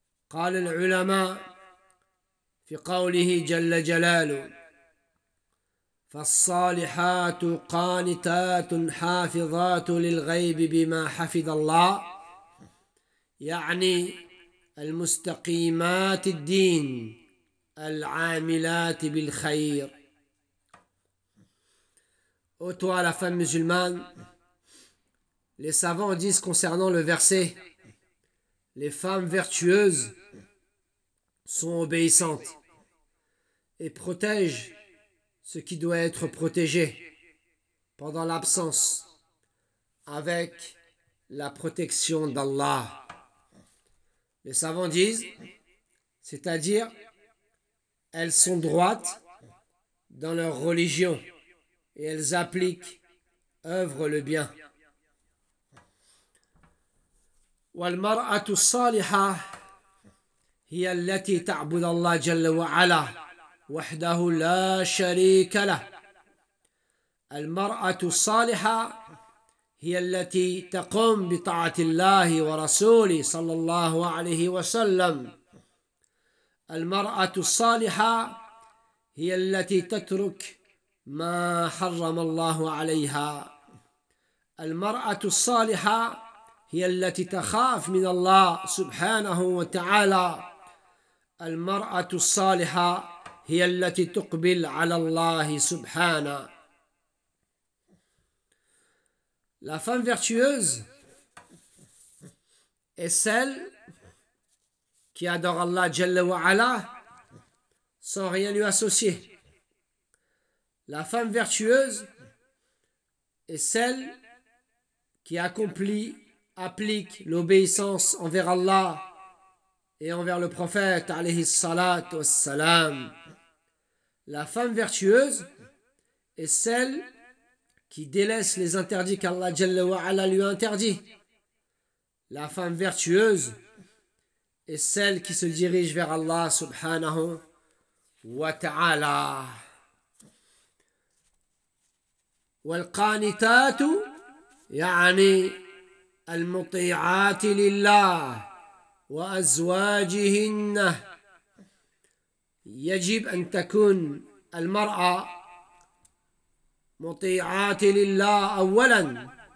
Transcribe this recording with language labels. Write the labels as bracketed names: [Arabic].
[Arabic] قال العلماء في قوله جل جلاله: فالصالحات قانتات حافظات للغيب بما حفظ الله، يعني المستقيمات الدين العاملات بالخير. [French] Ôtoi la femme musulmane, les savants disent concernant le verset: les femmes vertueuses sont obéissantes et protègent ce qui doit être protégé pendant l'absence avec la protection d'Allah. Les savants disent, c'est-à-dire, elles sont droites dans leur religion et elles appliquent, œuvrent le bien. [Arabic] والمرأة الصالحة هي التي تعبد الله جل وعلا وحده لا شريك له. المرأة الصالحة هي التي تقوم بطاعة الله ورسوله صلى الله عليه وسلم. المرأة الصالحة هي التي تترك ما حرم الله عليها. المرأة الصالحة هي التي تخاف من الله سبحانه وتعالى. المرأة الصالحة هي التي تقبل على الله سبحانه. [French] La femme vertueuse est celle qui adore Allah Jalla wa Ala sans rien lui associer. La femme vertueuse est celle qui accomplit, applique l'obéissance envers Allah et envers le prophète alayhi salatu wassalam. La femme vertueuse est celle qui délaisse les interdits qu'Allah Jalla wa Ala lui a interdit. La femme vertueuse est celle qui se dirige vers Allah subhanahu wa ta'ala. [Arabic] والقانتات يعني المطيعات لله وأزواجهن. يجب أن تكون المرأة مطيعات لله أولا.